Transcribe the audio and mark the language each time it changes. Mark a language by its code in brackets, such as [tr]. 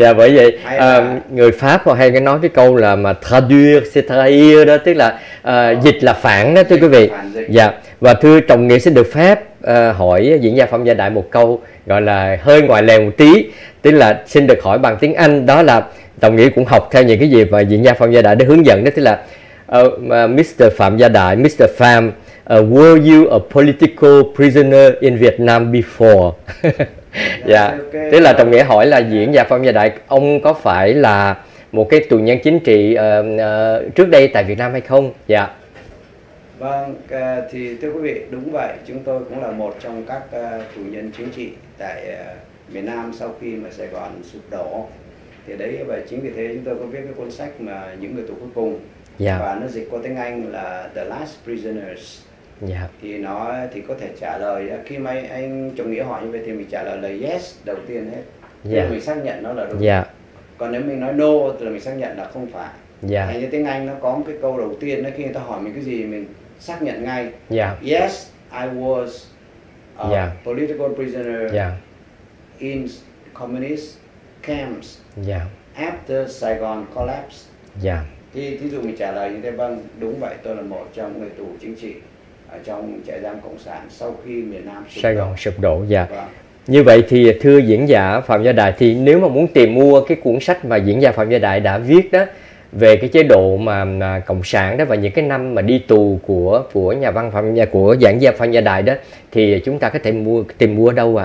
[vi] Dạ, bởi vậy người Pháp họ hay nói cái câu là mà [fr] traduire c'est trahir [vi] đó, tức là dịch là phản đó, thưa quý vị. Dạ. Và thưa Trọng Nghĩa xin được phép hỏi diễn giả Phạm Gia Đại một câu gọi là hơi ngoài lề một tí, tức là xin được hỏi bằng tiếng Anh, đó là Trọng Nghĩa cũng học theo những cái gì và diễn giả Phạm Gia Đại đã hướng dẫn đó, tức là Mr. Phạm Gia Đại, Mr. [en] Pham, were you a political prisoner in Vietnam before? Dạ. Yeah. Okay. [vi] Tức là Trọng Nghĩa hỏi là diễn giả Phạm Gia Đại, ông có phải là một cái tù nhân chính trị trước đây tại Việt Nam hay không? Dạ. Yeah. Vâng, thì thưa quý vị, đúng vậy, chúng tôi cũng là một trong các tù nhân chính trị tại miền Nam sau khi mà Sài Gòn sụp đổ. Thì đấy, và chính vì thế chúng tôi có viết cái cuốn sách mà Những Người Tù Cuối Cùng. Yeah. Và nó dịch qua tiếng Anh là The Last Prisoners. Yeah. Thì nó thì có thể trả lời, khi mà anh Trọng Nghĩa hỏi như vậy thì mình trả lời là yes đầu tiên hết. Yeah. Thì mình xác nhận nó là đúng. Yeah. Còn nếu mình nói no thì mình xác nhận là không phải. Yeah. Thì như tiếng Anh nó có một cái câu đầu tiên, khi người ta hỏi mình cái gì mình xác nhận ngay. Yeah. [en] Yes, I was a political prisoner in communist camps. Yeah. After Saigon collapsed. Yeah. [vi] Thì thí dụ mình trả lời như thế, vâng, đúng vậy, tôi là một trong người tù chính trị ở trong trại giam cộng sản sau khi miền Nam sụp đổ. Dạ. Vâng. Như vậy thì thưa diễn giả Phạm Gia Đại, thì nếu mà muốn tìm mua cái cuốn sách mà diễn giả Phạm Gia Đại đã viết đó, về cái chế độ mà cộng sản đó và những cái năm mà đi tù của nhà văn Phạm Gia, của giảng gia Phạm Gia Đại đó, thì chúng ta có thể tìm mua đâu ạ?